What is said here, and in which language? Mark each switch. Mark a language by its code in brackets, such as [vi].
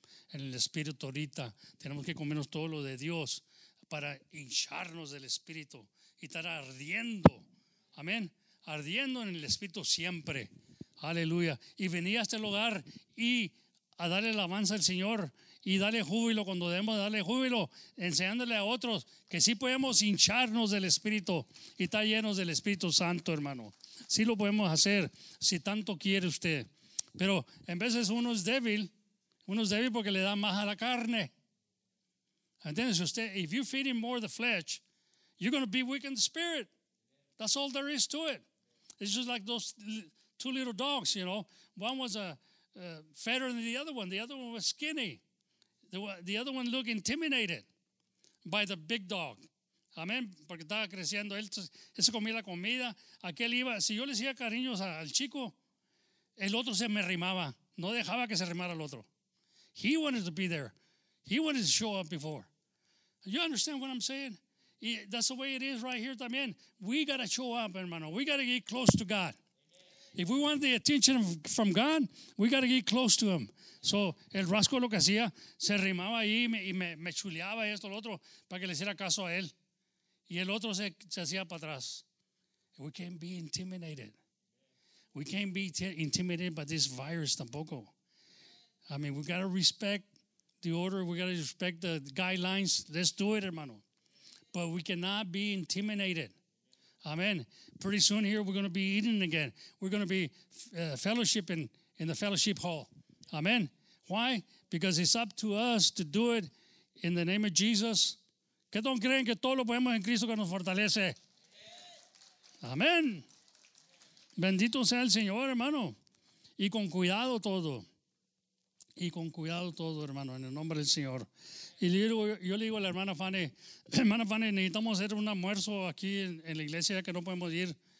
[es] En el espíritu ahorita tenemos que comernos todo lo de Dios para hincharnos del espíritu y estar ardiendo, amén, ardiendo en el espíritu siempre, aleluya, y venir a este lugar y a darle alabanza al Señor y darle júbilo cuando debemos darle júbilo, enseñándole a otros que sí podemos hincharnos del espíritu y estar llenos del Espíritu Santo, hermano, sí lo podemos hacer si tanto quiere usted, pero en veces uno es débil. Uno es débil porque le da más a la carne. ¿Entiendes usted? [en] If you feed him more the flesh, you're going to be weak in the spirit. That's all there is to it. It's just like those two little dogs, you know. One was fatter than the other one. The other one was skinny. The other one looked intimidated by the big dog. [es] Amén. Porque estaba creciendo. Él se comía la comida. Aquel iba. Si yo le hacía cariños al chico, el otro se me arrimaba. No dejaba que se arrimara al otro. [en] He wanted to be there. He wanted to show up before. You understand what I'm saying? That's the way it is right here [es] también. [en] We got to show up, hermano. We got to get close to God. If we want the attention from God, we got to get close to him. [es] So, el Rasco lo que hacía, se rimaba ahí y me chuleaba esto, lo otro, para que le hiciera caso a él. Y el otro se hacía para atrás. [en] We can't be intimidated. We can't be intimidated by this virus [es] tampoco. [en] I mean, we got to respect the order. We got to respect the guidelines. Let's do it, hermano. But we cannot be intimidated. Amen. Pretty soon here, we're going to be eating again. We're going to be fellowshipping in the fellowship hall. Amen. Why? Because it's up to us to do it in the name of Jesus. [es] ¿Qué don creen que todo lo podemos en Cristo que nos fortalece? Amén. Bendito sea el Señor, hermano. Y con cuidado todo. Y con cuidado todo, hermano, en el nombre del Señor. Y yo le digo a la hermana Fanny, hermana Fanny, necesitamos hacer un almuerzo aquí en la iglesia ya que no podemos ir.